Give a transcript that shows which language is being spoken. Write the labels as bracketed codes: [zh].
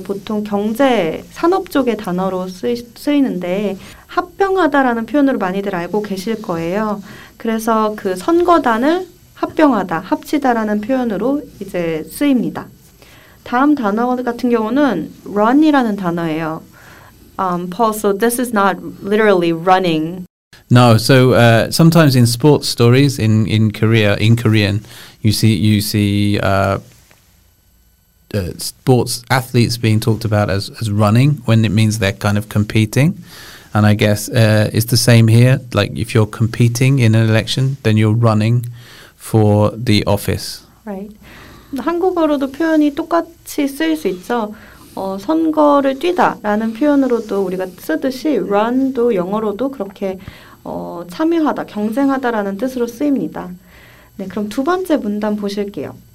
[ko] 보통 경제, 산업 쪽의 단어로 쓰이는데 합병하다라는 표현으로 많이들 알고 계실 거예요. 그래서 그 선거단을 합병하다, 합치다라는 표현으로 이제 쓰입니다. 다음 단어 같은 경우는 run이라는 단어예요. [en] Paul, so this is not literally running. No, so sometimes in sports stories in Korea, in Korean, you see sports athletes being talked about as running when it means they're kind of competing. And I guess it's the same here. Like if you're competing in an election, then you're running for the office. Right. [ko] 한국어로도 표현이 똑같이 쓰일 수 있죠. 선거를 뛰다라는 표현으로도 우리가 쓰듯이 run도 영어로도 그렇게 참여하다, 경쟁하다라는 뜻으로 쓰입니다. 네, 그럼 두 번째 문단 보실게요.